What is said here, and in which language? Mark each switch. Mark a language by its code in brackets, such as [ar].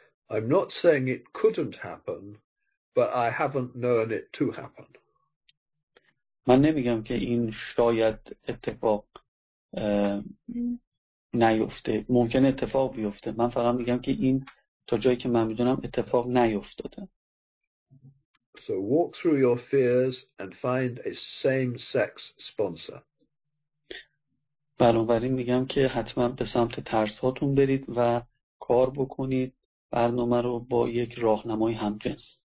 [en] I'm not saying it couldn't happen, but I haven't known it to happen. [fa] من نمیگم که این شاید اتفاق نیفته، ممکن اتفاق بیفته. من فقط میگم که این تا جایی که من میدونم اتفاق نیفتاده. [en] So walk through your fears and find a same-sex sponsor. [fa] بنابراین میگم که حتما به سمت ترساتون برید و کار بکنید برنامه رو با یک راهنمای همجنس.